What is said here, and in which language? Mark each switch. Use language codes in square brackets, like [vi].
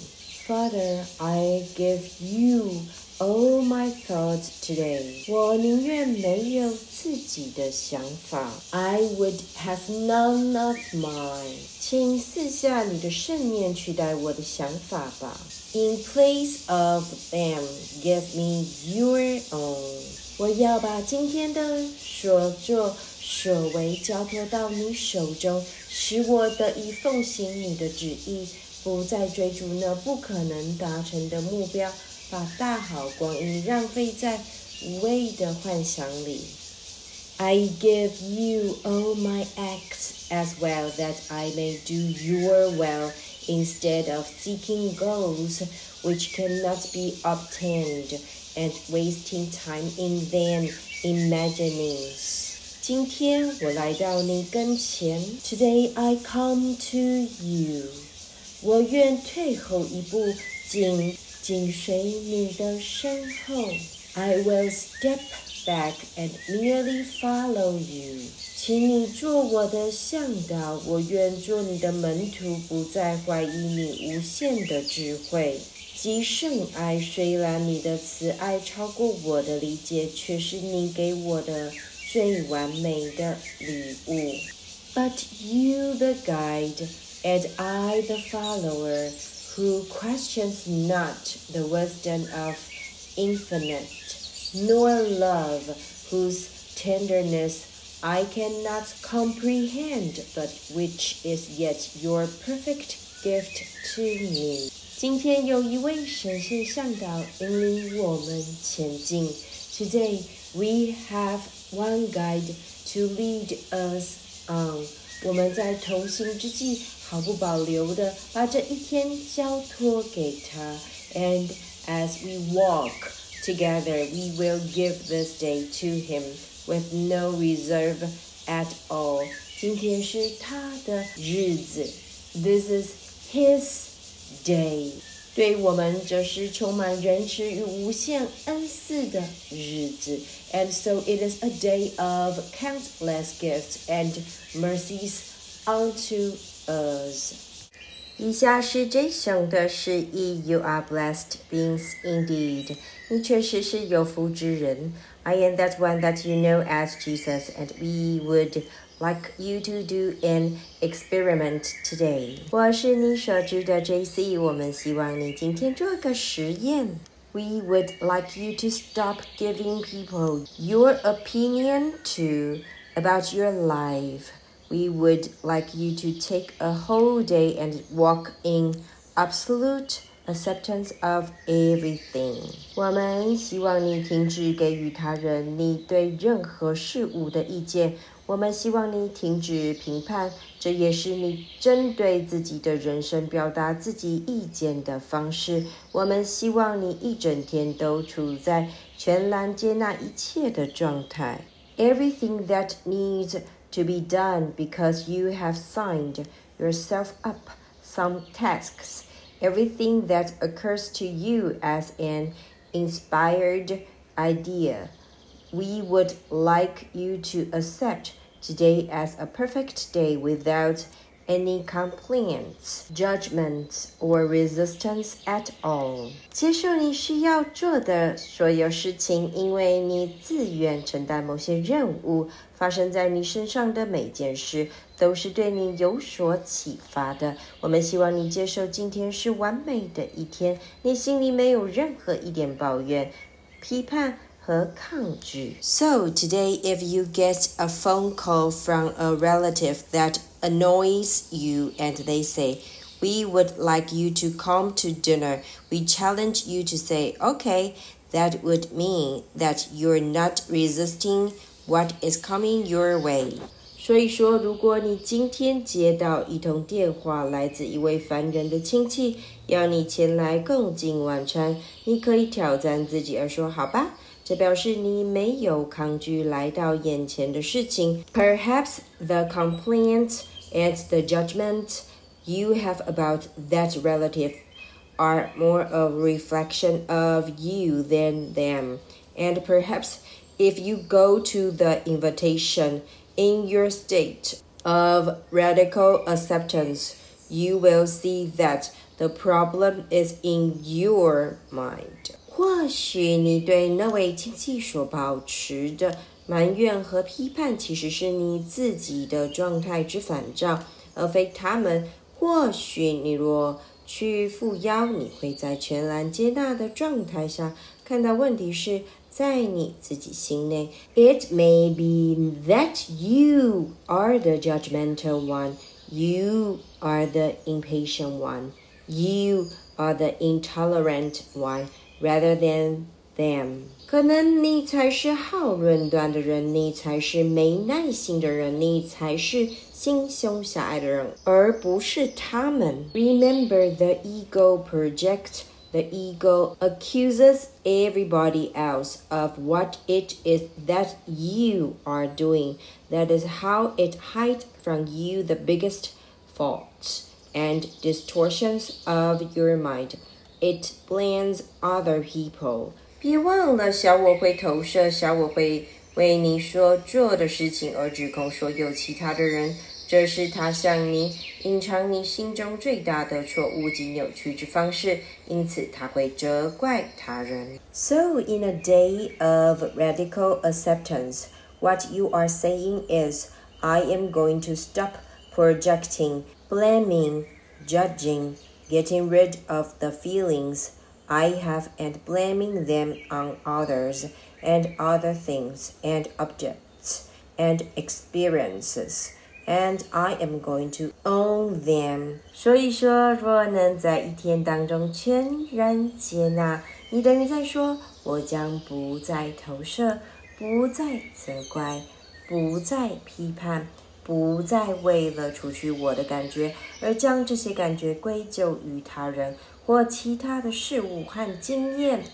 [en] Father, I give you all my thoughts today。 [zh] 我宁愿没有自己的想法。 [en] I would have none of mine。 [zh] 请赐下你的圣念取代我的想法吧。 [en] In place of them, give me your own。 [zh] 我要把今天的所作所为交托到你手中，使我得以奉行你的旨意，不再追逐那不可能达成的目标，把大好光阴浪费在无谓的幻想里。 [en] I give you all my acts as well, that I may do your will instead of seeking goals which cannot be obtained. And wasting time in vain imaginings. [zh] 今天我来到你跟前。 [en] Today I come to you. [zh] 我愿退后一步，紧随你的身后。 [en] I will step back and merely follow you. [zh] 请你做我的向导，我愿做你的门徒，不再怀疑你无限的智慧。极圣爱，虽然你的慈爱超过我的理解，却是你给我的最完美的礼物。 [en] But you the guide, and I the follower, who questions not the wisdom of infinite, nor love, whose tenderness I cannot comprehend, but which is yet your perfect gift to me. [zh] 今天有一位神圣向导引领我们前进。 [en] Today we have one guide to lead us on。 [zh] 我们在同行之际毫不保留地把这一天交托给他。 [en] And as we walk together, we will give this day to him with no reserve at all。 [zh] 今天是他的日子。 [en] This is his day， [zh] 对我们这是充满仁慈与无限恩赐的日子。 [en] And so it is a day of countless gifts and mercies unto us。 [zh] 以下是这首的诗意。 [en] You are blessed beings indeed， [zh] 你确实是有福之人。 [en] I am that one that you know as Jesus， and we wouldLike you to do an experiment today. [zh] 我是你所知的 JC， 我们希望你今天做个实验。 [en] We would like you to stop giving people your opinion to about your life. We would like you to take a whole day and walk in absolute acceptance of everything. [zh] 我们希望你停止给予他人你对任何事物的意见。我们希望你停止评判，这也是你针对自己的人生表达自己意见的方式。我们希望你一整天都处在全然接纳一切的状态。 [en] Everything that needs to be done because you have signed yourself up some tasks. Everything that occurs to you as an inspired idea. We would like you to accept. Today as a perfect day without any complaints, judgments, or resistance at all. [zh] 接受你需要做的所有事情，因为你自愿承担某些任务，发生在你身上的每件事，都是对你有所启发的。我们希望你接受今天是完美的一天，你心里没有任何一点抱怨、批判和抗拒。 [en] So today if you get a phone call from a relative that annoys you and they say, we would like you to come to dinner, we challenge you to say, okay, that would mean that you're not resisting what is coming your way. [zh] 所以说，如果你今天接到一通电话，来自一位烦人的亲戚，要你前来共进晚餐，你可以挑战自己而说好吧，这表示你没有抗拒来到眼前的事情。 [en] Perhaps the complaint and the judgment you have about that relative are more a reflection of you than them. And perhaps if you go to the invitationIn your state of radical acceptance, you will see that the problem is in your mind. [zh] 或许你对那位亲戚所保持的埋怨和批判其实是你自己的状态之反照，而非他们。或许你若去赴邀，你会在全然接纳的状态下看到问题是在你自己心内。 [en] It may be that you are the judgmental one, you are the impatient one, you are the intolerant one, rather than them. [zh] 可能你才是好论断的人，你才是没耐心的人，你才是心胸狭隘的人，而不是他们。 [en] Remember the ego project. The ego accuses everybody else of what it is that you are doing. That is how it hides from you the biggest faults and distortions of your mind. It blames other people. [zh] 别忘了，小我会投射，小我会为你说做的事情而指控所有其他的人。这是他向你隐藏你心中最大的错误及扭曲之方式，因此他会责怪他人。 [en] So in a day of radical acceptance, what you are saying is, I am going to stop projecting, blaming, judging, getting rid of the feelings I have and blaming them on others and other things and objects and experiences. And I am going to own them. [zh] 所以说，若能在一天当中全然接纳，你等于在说，我将不再投射，不再责怪，不再批判，不再为了除去我的感觉，而将这些感觉归咎于他人或其他的事物和经验。